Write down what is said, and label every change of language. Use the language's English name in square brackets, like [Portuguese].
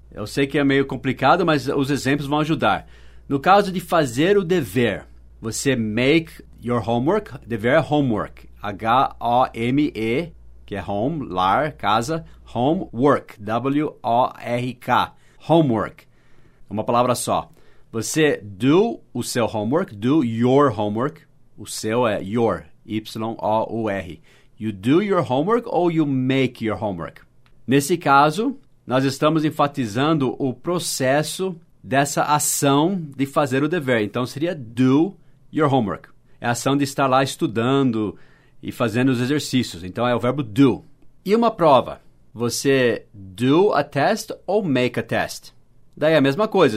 [Portuguese] Eu sei que é meio complicado, mas os exemplos vão ajudar. No caso de fazer o dever, você [English] make your homework, [Portuguese] dever é homework, H-O-M-E, que é home, lar, casa, homework, W-O-R-K, homework, uma palavra só. Você do o seu homework, [English] do your homework, [Portuguese] o seu é your, Y-O-U-R. [English] You do your homework or you make your homework? [Portuguese] Nesse caso, nós estamos enfatizando o processo dessa ação de fazer o dever. Então, seria [English] do your homework. [Portuguese] É a ação de estar lá estudando e fazendo os exercícios. Então, é o verbo do. E uma prova? Você [English] do a test [Portuguese] ou [English] make a test? [Portuguese] Daí, a mesma coisa.